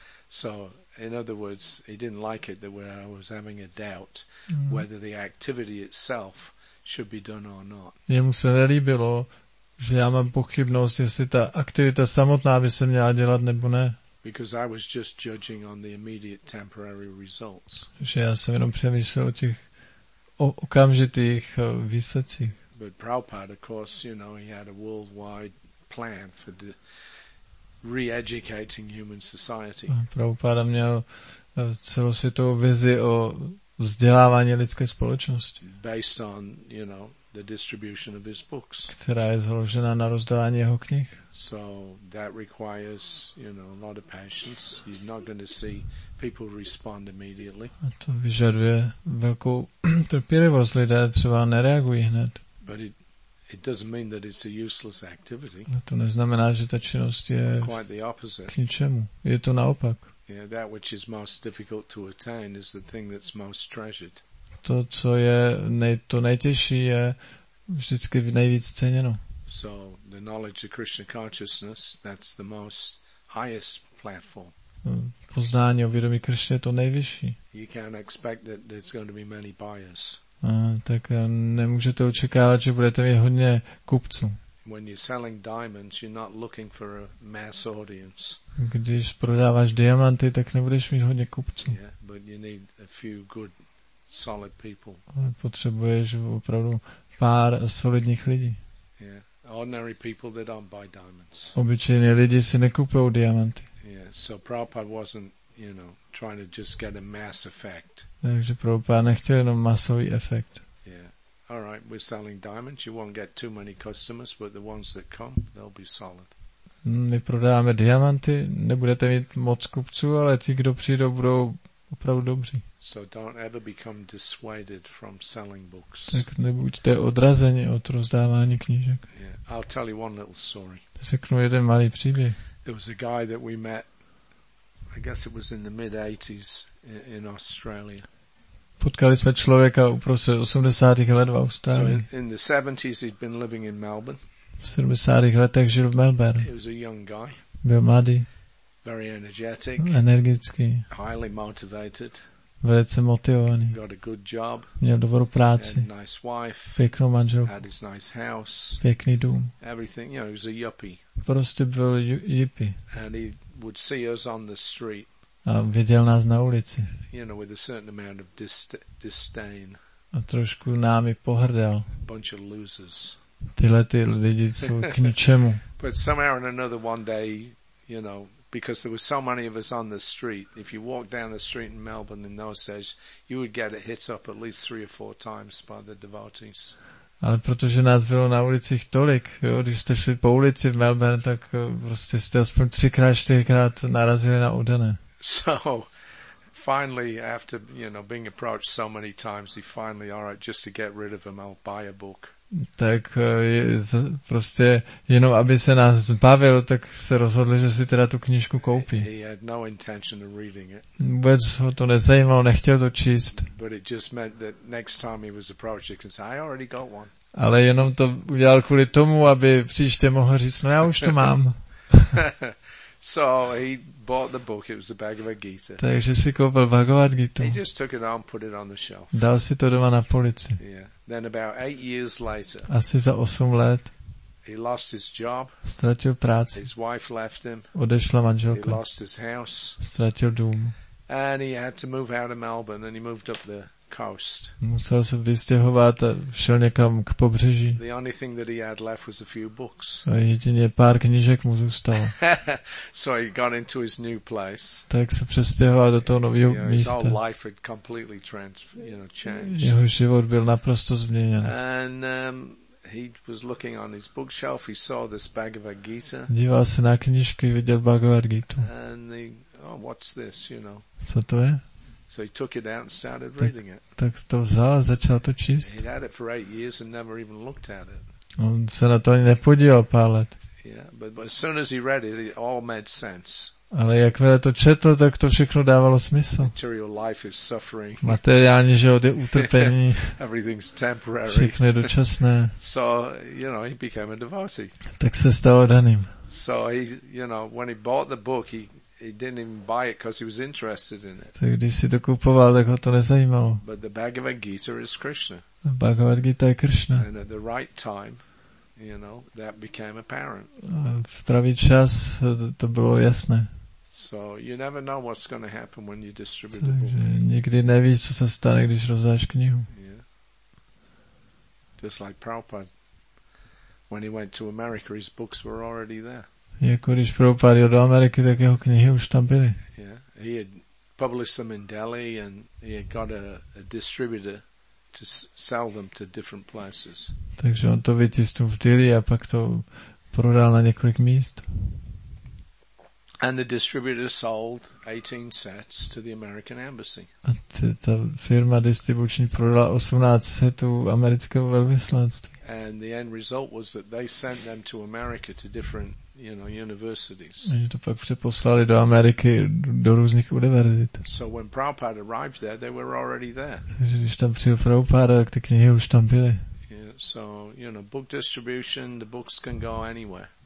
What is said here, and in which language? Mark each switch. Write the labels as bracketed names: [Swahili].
[English] So, in other words, he didn't like it that I was having a doubt whether the activity itself should be done or not. [Czech] Jemu se nelíbilo, že já mám pochybnost, jestli ta aktivita samotná by se měla dělat nebo ne. [English] Because I was just judging on the immediate temporary results. [Czech] Že já jsem jenom přemýšlel o těch okamžitých výsledcích. [English] But Prabhupada, of course, you know, he had a worldwide plan for the re-educating human society. [Czech] Prabhupada měl celosvětovou vizi o vzdělávání lidské společnosti. [English] Based on, you know, the distribution of his books. [Czech] Která je založena na rozdávání jeho knih. [English] So that requires, you know, a lot of patience. You're not going to see people respond immediately. [Czech] A to vyžaduje velkou trpělivost. Lidé třeba nereagují hned. [English] But it doesn't mean that it's a useless activity. [Czech] A to neznamená, že ta činnost je [English] quite the opposite. [Czech] K ničemu. Je to naopak. [English] Yeah, that which is most difficult to attain is the thing that's most treasured. [Czech] To, co je to nejtěžší, je vždycky nejvíc ceněno. [English] So the knowledge of Krishna consciousness, that's the most highest platform. [Czech] Poznání o vědomí Krishna je to nejvyšší. [English] You can't expect that there's going to be many buyers. [Czech] Tak nemůžete očekávat, že budete mít hodně kupců. [English] When you're selling diamonds, you're not looking for a mass audience. [Czech] Když prodáváš diamanty, tak nebudeš mít hodně kupců. [English] Yeah, but you need a few good solid people. [Czech] Potřebuješ opravdu pár solidních lidí. [English] Yeah. Ordinary people that don't buy diamonds. [Czech] Obyčejní lidi si nekupují diamanty. [English] Yeah. So Prabhupada wasn't, you know, trying to just get a mass effect. [Czech] Takže Prabhupada nechtěl jenom masový efekt. [English] Yeah. All right, we're selling diamonds. You won't get too many customers, but the ones that come, they'll be solid. [Czech] My prodáváme diamanty, nebudete mít moc kupců, ale ti, kdo přijdou, budou opravdu dobří. [English] So don't ever become dissuaded from selling books. [Czech] Tak nebuďte odrazeni od rozdávání knížek. [English] Yeah. I'll tell you one little story. [Czech] Řeknu jeden malý příběh. [English] There was a guy that we met, I guess it was in the mid 80s in Australia. [Czech] Potkali jsme člověka uprostřed 80. let v Austrálii. [English] So in the 70s he'd been living in Melbourne. [Czech] V 70. letech žil v Melbourne. [English] He was a young guy. [Czech] Byl mladý. [English] Very energetic. [Czech] Energický. [English] Highly motivated. [Czech] Velice motivovaný. [English] Got a good job. [Czech] Měl dobrou práci. [English] Had a nice wife. [Czech] Pěknou manželku. [English] Had his nice house. [Czech] Pěkný dům. [English] Everything, you know, he was a yuppie. [Czech] Prostě byl yuppie. [English] And he would see us on the street. [Czech] A viděl nás na ulici. [English] You know, with a certain amount of disdain. [Czech] A trošku námi pohrdel. [English] Bunch of losers. [Czech] Tyhle ty lidi jsou k ničemu. [English] But somehow or another one day, you know, because there were so many of us on the street, if you walked down the street in Melbourne in those days, you would get a hit up at least 3 or 4 times by the devotees. [Czech] Ale protože nás bylo na ulicích tolik, jo, když jste šli po ulici v Melbourne, tak prostě jste aspoň 3x, 4x narazili na oddané. [English] So finally, after, you know, being approached so many times, he finally, all right, just to get rid of him, I'll buy a book. [Czech] Tak prostě jenom aby se nás zbavil, tak se rozhodl, že si teda tu knížku koupí. [English] He had no intention of reading it. [Czech] Vůbec ho to nezajímalo, nechtěl to číst. [English] But it just meant that next time he was approached, he can say, I already got one. [Czech] Ale jenom to udělal kvůli tomu, aby příště mohl říct, no já už to mám. [English] So he bought the book. It was the Bhagavad Gita. [Czech] Takže si koupil Bhagavad Gita. [English] He just took it and put it on the shelf. [Czech] Dal si to doma na polici. [English] Yeah. Then about 8 years later. [Czech] Asi za 8 let. [English] He lost his job. [Czech] Ztratil práci. [English] His wife left him. [Czech] Odešla manželka. [English] He lost his house. [Czech] Ztratil dům. [English] And he had to move out of Melbourne and he moved up the coast. [Czech] Musel se vystěhovat a šel někam k pobřeží. [English] The only thing that he had left was a few books. [Czech] A jedině pár knížek mu zůstalo. [English] So he got into his new place. [Czech] Tak se přestěhoval do toho nového místa. [English] His whole life had completely changed. [Czech] Jeho život byl naprosto změněn. [English] And he was looking on his bookshelf, he saw this Bhagavad Gita. [Czech] Díval se na knížky, viděl Bhagavad Gitu. [English] And he, oh, what's this, you know? [Czech] Co to je? [English] So he took it out and started reading it. [Czech] Tak to vzal a začal to číst. [English] He'd had it for 8 years and never even looked at it. [Czech] On se na to ani nepodíval pár let. [English] Yeah, but as soon as he read it, it all made sense. [Czech] Ale jakmile to četl, tak to všechno dávalo smysl. [English] Material life is suffering. [Czech] Materiální život je utrpení. [English] Everything's temporary. [Czech] Všechno je dočasné. [English] So, you know, he became a devotee. [Czech] Tak se stal oddaným. [English] So he, you know, when he bought the book, he didn't even buy it because he was interested in it. [Czech] Tak když si to kupoval, tak ho to nezajímalo. [English] But the Bhagavad Gita is Krishna. [Czech] Bhagavad Gita je Krishna. [English] And at the right time, you know, that became apparent. [Czech] V pravý čas to bylo jasné. [English] So you never know what's going to happen when you distribute the book. [Czech] Nikdy nevíš, co se stane, když rozdáš knihu. [English] Yeah. Just like Prabhupada, when he went to America, his books were already there. [Czech] Jako když Prabhupada jel do Ameriky, tak jeho knihy už tam byly. [English] Yeah, he had published them in Delhi, and he had got a distributor to sell them to different places. [Czech] Takže on to vytisnul v Delhi a pak to prodal na několik míst. [English] And the distributor sold 18 sets to the American embassy. [Czech] A ta firma distribuční prodala 18 setů amerického velvyslanství. [English] And the end result was that they sent them to America to different, you know, universities. [Czech] Oni to pak přeposlali do Ameriky do různých univerzit. [English] So when Prabhupada arrived there, they were already there. [Czech] Takže když tam přijel Prabhupada, tak ty knihy už tam byly. [English] So, you know, book distribution, the books can go anywhere.